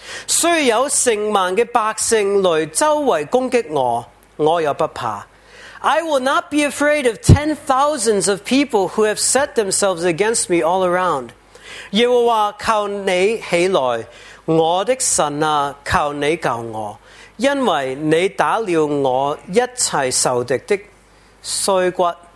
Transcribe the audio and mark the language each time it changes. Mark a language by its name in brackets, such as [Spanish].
[Chinese] 虽有成万的百姓来周围攻击我，我也不怕。 [English] I will not be afraid of 10,000s of people who have set themselves against me all around. [Chinese] 耶和华求你起来，我的神啊，求你救我，因为你打了我一切仇敌的腮骨。